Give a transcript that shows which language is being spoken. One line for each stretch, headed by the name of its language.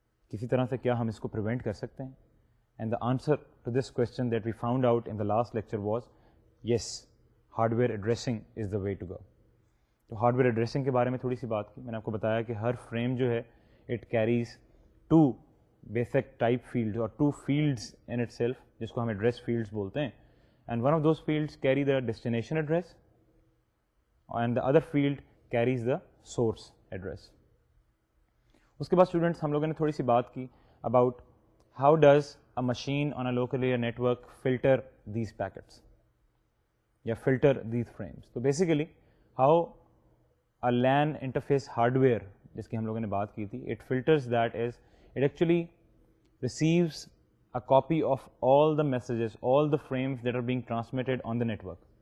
Urdu: کسی طرح سے کیا ہم اس کو پریوینٹ کر سکتے ہیں؟
English: And the answer to this question that we found out in the last lecture was yes, hardware addressing is the way to go.
Urdu: تو ہارڈ ویئر ایڈریسنگ کے بارے میں تھوڑی سی بات کی, میں نے آپ کو بتایا کہ ہر فریم جو ہے
English: it carries two basic type field
Urdu: اور
English: two fields in itself,
Urdu: جس کو ہم ایڈریس فیلڈز بولتے ہیں.
English: And one of those fields carry the destination address and the other field carries the source address.
Urdu: اس کے بعد اسٹوڈنٹس, ہم لوگوں نے تھوڑی سی بات کی
English: About how does a machine on a local area network filter these packets یا filter these frames. تو basically how a LAN interface hardware,
Urdu: جس کی ہم لوگوں نے بات کی تھی,
English: It filters that is it actually receives a copy of all the messages, all the frames that are being transmitted on the network.